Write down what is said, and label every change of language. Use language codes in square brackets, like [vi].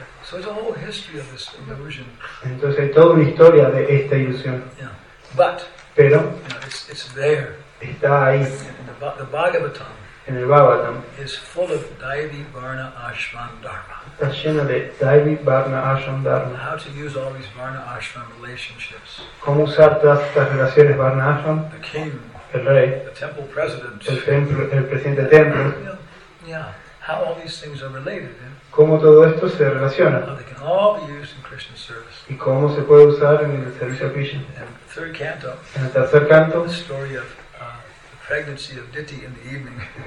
[en] So there's a whole history of this illusion. [es] Entonces hay toda una historia de esta ilusión. [en] Yeah. But, [es] pero, [en] you know, it's there. [es] Está ahí. [en] The Bhagavatam. [es] En el Bhagavatam. [en] Is full of Daivi Varna Ashram Dharma. [es] Está lleno de Daivi Varna Ashram Dharma. [en] How to use all these Varna Ashram relationships. [es] ¿Cómo usar todas estas relaciones Varna Ashram? [en] The king. [es] El rey. [en] The temple president. [es] El presidente del templo. [en] Yeah. How all these things are related, eh? [es] Cómo todo esto se relaciona. [en] How they can all be used in Krishna service. [es] Y cómo se puede usar en el servicio a Krishna. [en] And the third canto, [es] en el tercer canto. [en] The story of the pregnancy of Diti in the evening.